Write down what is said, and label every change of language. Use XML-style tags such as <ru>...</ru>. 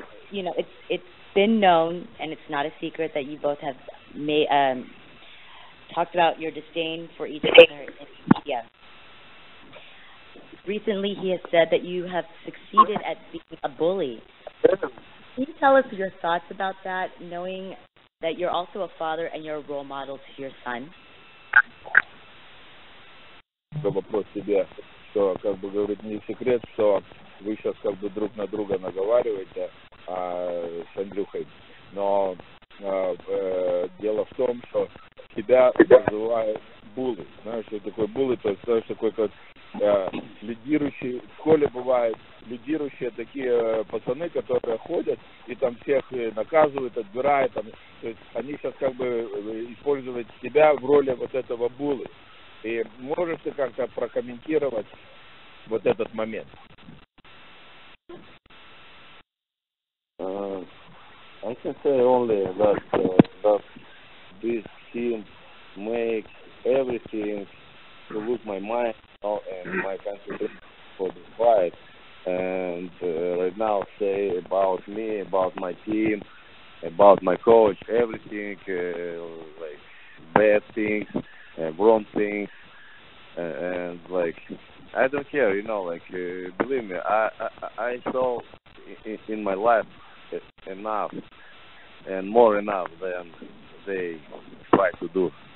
<en>You know, it's been known, and it's not a secret, that you both have talked about your disdain for each other in media. Recently, he has said that you have succeeded at being a bully. Can you tell us your thoughts about that, knowing that you're also a father and you're a role model to your son?</en> <ru>Вопрос тебе, что, как бы, говорит, не секрет, что вы сейчас, как бы, друг на друга наговариваете с Андрюхой. Но дело в том, что тебя называют буллы. Знаешь, что такое буллы, то есть, знаешь, такой, как лидирующие, в школе бывают лидирующие такие пацаны, которые ходят и там всех наказывают, отбирают. Там, то есть они сейчас как бы используют себя в роли вот этого буллы. И можешь ты как-то прокомментировать вот этот момент?</ru> <en>I can say only that, that this team makes everything to lose my mind. Oh, and my country for the fight, and right now say about me, about my team, about my coach, everything, like bad things, wrong things, and like I don't care, you know, like believe me, I saw in my life enough and more enough than they try to do.</en>